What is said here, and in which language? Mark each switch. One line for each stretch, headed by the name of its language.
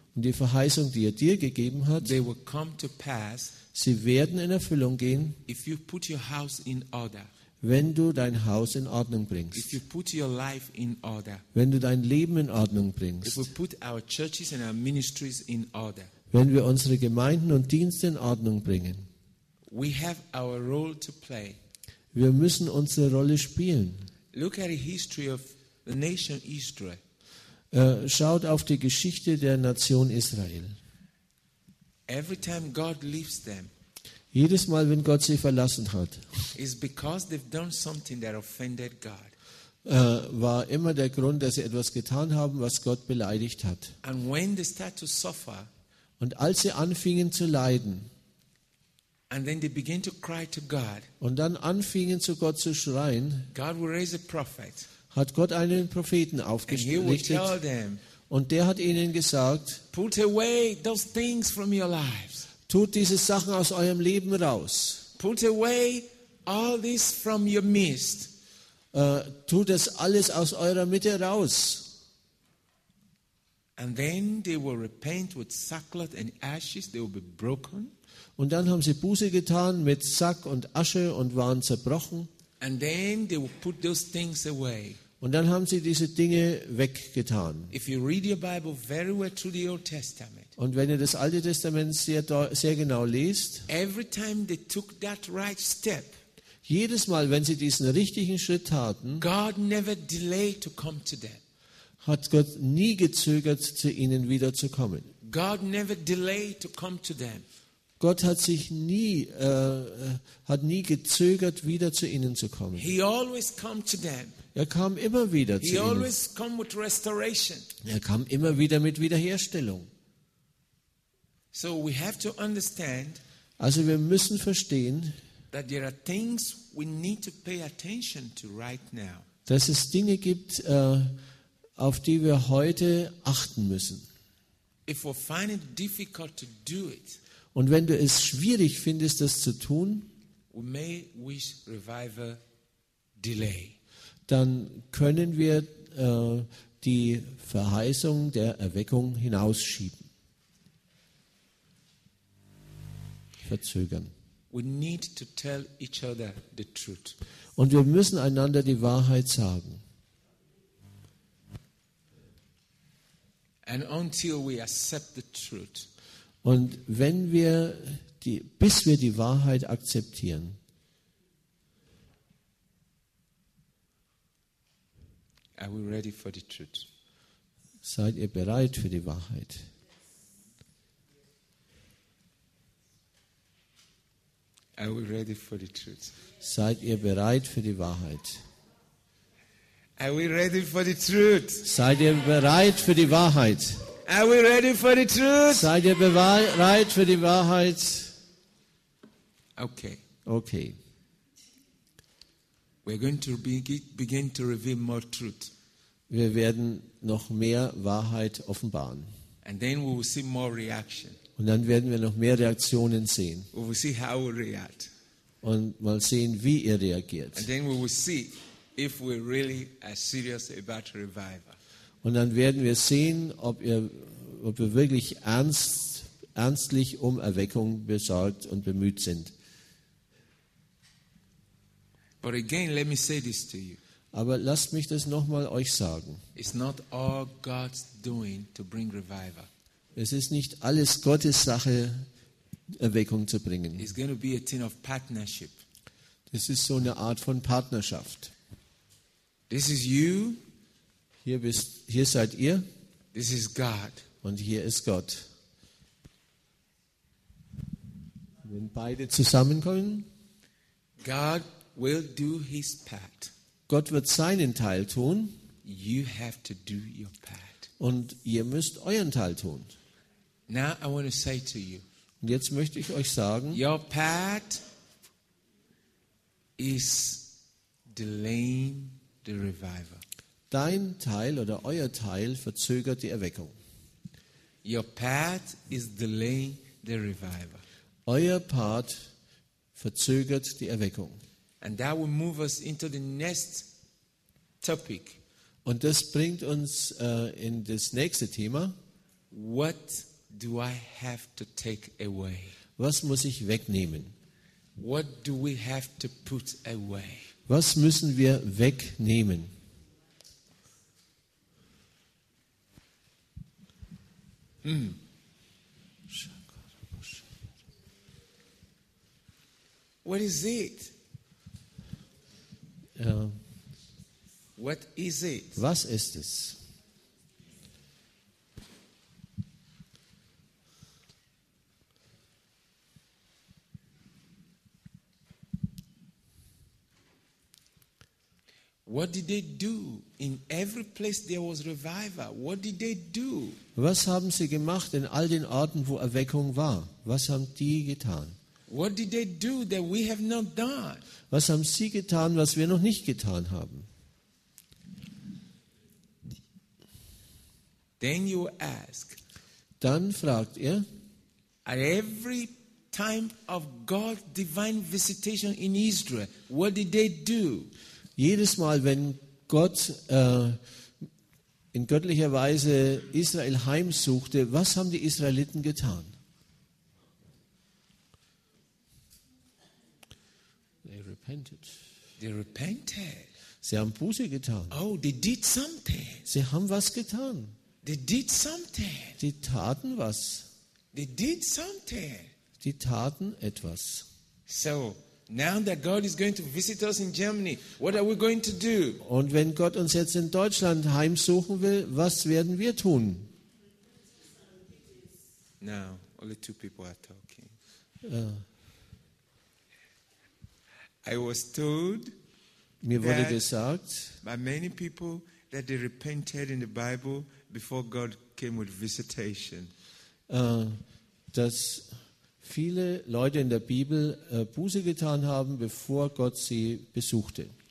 German: und die Verheißung, die er dir gegeben hat,
English: they will come to pass,
German: sie werden in Erfüllung gehen,
English: if you put your house in order,
German: wenn du dein Haus in Ordnung bringst,
English: if you put your life in order,
German: wenn du dein Leben in Ordnung bringst,
English: if we put our churches and our ministries in order,
German: wenn wir unsere Gemeinden und Dienste in Ordnung bringen.
English: We have our role to play.
German: Wir müssen unsere Rolle spielen.
English: Look at the history of the nation Israel.
German: Schaut auf die Geschichte der Nation Israel.
English: Every time God leaves them,
German: jedes Mal, wenn Gott sie verlassen hat,
English: is because they've done something that offended God.
German: War immer der Grund, dass sie etwas getan haben, was Gott beleidigt hat.
English: And when they start to suffer,
German: und als sie anfingen zu leiden,
English: and then they begin to cry to God.
German: Und dann anfingen zu Gott zu schreien.
English: God will raise a prophet.
German: Hat Gott einen Propheten aufgerichtet?
English: And he will tell them.
German: Und der hat ihnen gesagt:
English: Put away those things from your lives.
German: Tut diese Sachen aus eurem Leben raus.
English: Put away all this from your midst.
German: Tut das alles aus eurer Mitte raus.
English: And then they will repent with sackcloth and ashes. They will be broken.
German: Und dann haben sie Buße getan mit Sack und Asche und waren zerbrochen.
English: And then they will put those things away.
German: Und dann haben sie diese Dinge weggetan.
English: If you read your Bible very well through the Old Testament,
German: und wenn ihr das Alte Testament sehr genau liest,
English: every time they took that right step,
German: jedes Mal, wenn sie diesen richtigen Schritt taten,
English: God never delayed to come to them.
German: Hat Gott nie gezögert, zu ihnen wiederzukommen.
English: God never delayed to come to them.
German: Gott hat sich nie hat nie gezögert, wieder zu ihnen zu kommen.
English: He always come to them.
German: Er kam immer wieder zu
English: he
German: ihnen.
English: Always come with restoration.
German: Er kam immer wieder mit Wiederherstellung.
English: So we have to understand,
German: also wir müssen verstehen,
English: that there are things we need to pay attention to right now.
German: Dass es Dinge gibt, auf die wir heute achten müssen.
English: If we find it difficult to do it,
German: und wenn du es schwierig findest, das zu tun,
English: we may wish revival delay.
German: Dann können wir die Verheißung der Erweckung hinausschieben, verzögern.
English: We need to tell each other the truth.
German: Und wir müssen einander die Wahrheit sagen.
English: And until we accept the truth.
German: Und wenn wir bis wir die Wahrheit akzeptieren,
English: are we ready for the truth?
German: Seid ihr bereit für die Wahrheit?
English: Are we ready for the truth?
German: Seid ihr bereit für die Wahrheit?
English: Are we ready for the truth?
German: Seid ihr bereit für die Wahrheit?
English: Are we ready for the truth?
German: Seid ihr bereit für die Wahrheit? Okay. Okay.
English: We're going to begin to reveal more truth.
German: Wir werden noch mehr Wahrheit offenbaren.
English: And then we will see more reaction.
German: Und dann werden wir noch mehr Reaktionen sehen.
English: We will see how we react.
German: Und mal sehen, wie ihr reagiert.
English: And then we will see if we really are serious about revival.
German: Und dann werden wir sehen, ob wir wirklich ernstlich um Erweckung besorgt und bemüht sind.
English: But again, let me say this to you.
German: Aber lasst mich das nochmal euch sagen.
English: It's not all God's doing to bring revival.
German: Es ist nicht alles Gottes Sache, Erweckung zu bringen.
English: It's going to be a thing of partnership.
German: Das ist so eine Art von Partnerschaft.
English: This is you.
German: Hier seid ihr.
English: This is God.
German: Und hier ist Gott. Wenn beide zusammenkommen,
English: God will do his part.
German: Gott wird seinen Teil tun.
English: You have to do your part.
German: Und ihr müsst euren Teil tun.
English: Now I want to say to you.
German: Und jetzt möchte ich euch sagen,
English: your part is delaying the revival.
German: Dein Teil oder euer Teil verzögert die Erweckung.
English: Your part is delaying the revival.
German: Euer Part verzögert die Erweckung.
English: And that will move us into the next topic.
German: Und das bringt uns in das nächste Thema.
English: What do I have to take away?
German: Was muss ich wegnehmen?
English: What do we have to put away?
German: Was müssen wir wegnehmen?
English: What is it? What is it?
German: Was ist es?
English: What did they do? In every place there was revival. What did they do?
German: Was haben sie gemacht in all den Orten, wo Erweckung war? Was haben die getan?
English: What did they do that we have not done?
German: Was haben sie getan, was wir noch nicht getan haben?
English: Then you ask.
German: Dann fragt er.
English: At every time of God's divine visitation in Israel, what did they do?
German: Jedes Mal, wenn Gott in göttlicher Weise Israel heimsuchte, was haben die Israeliten getan?
English: They repented. They repented.
German: Sie haben Buße getan.
English: Oh, they did something.
German: Sie haben was getan.
English: They did something.
German: Sie taten was.
English: They did something.
German: Sie taten etwas.
English: So. Now that God is going to visit us in Germany, what are we going to do?
German: Und wenn Gott uns jetzt in Deutschland heimsuchen will, was werden wir tun?
English: Now, only two people are talking. I was told,
German: mir wurde gesagt,
English: by many people that they repented in the Bible before God came with visitation.
German: Dass viele Leute in der Bibel Buße getan haben, bevor Gott sie besuchte.